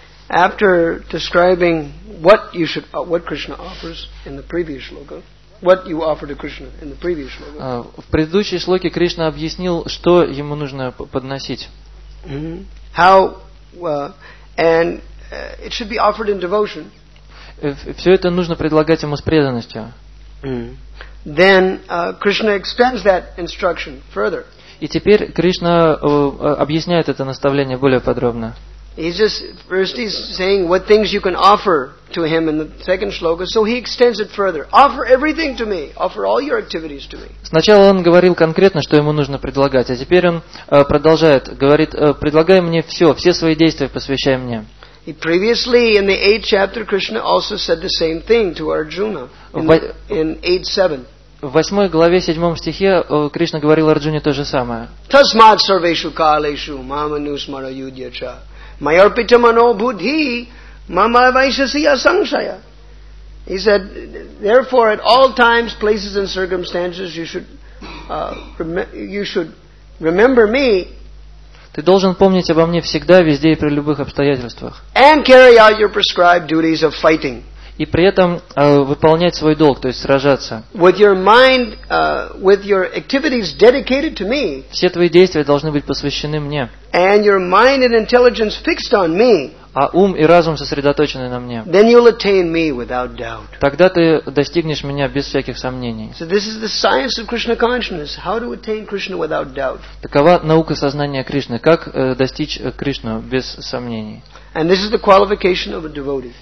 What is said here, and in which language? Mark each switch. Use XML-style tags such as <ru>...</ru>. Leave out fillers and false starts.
<en>After describing what Krishna offers in the previous shloka, what you offer to Krishna in the previous shloka.</en> <ru>В предыдущей шлоке Кришна объяснил, что ему нужно подносить.</ru> <en>Mm-hmm. How it should be offered in devotion.</en> <ru>Все это нужно предлагать ему с преданностью.</ru> <en>Mm. Then Krishna extends that instruction further.</en> <ru>И теперь Кришна объясняет это наставление более подробно.</ru> <en>He's just first he's saying what things you can offer to him in the second shloka, so he extends it further. Offer everything to me. Offer all your activities to me.</en> <ru>Сначала он говорил конкретно, что ему нужно предлагать, а теперь он продолжает, говорит: предлагай мне все, все свои действия посвящай мне.</ru> <en>He previously in the 8th chapter Krishna also said the same thing to Arjuna in 8:7.</en> <ru>В 8 главе 7 стихе Кришна говорил Арджуне то же самое.</ru> <sa>Tasmat sarveshu kaleshu mama nusmara yudya cha mayarpita mano buddhi mama vaishasya sanshaya.</sa> <en>He said therefore at all times, places and circumstances you should remember me.</en> <ru>Ты должен помнить обо мне всегда, везде и при любых обстоятельствах.</ru> <en>And carry out your prescribed duties of fighting.</en> <ru>И при этом выполнять свой долг, то есть сражаться.</ru> <en>With your mind, with your activities dedicated to me.</en> <ru>Все твои действия должны быть посвящены мне.</ru> <en>And your mind and intelligence fixed on me.</en> <ru>А ум и разум сосредоточены на мне.</ru> <en>Then you'll attain me without doubt.</en> <ru>Тогда ты достигнешь меня без всяких сомнений.</ru> <en>So this is the science of Krishna consciousness. How to attain Krishna without doubt.</en> <ru>Такова наука сознания Кришны. Как достичь Кришну без сомнений.</ru> <en>And this is the qualification of a devotee.</en>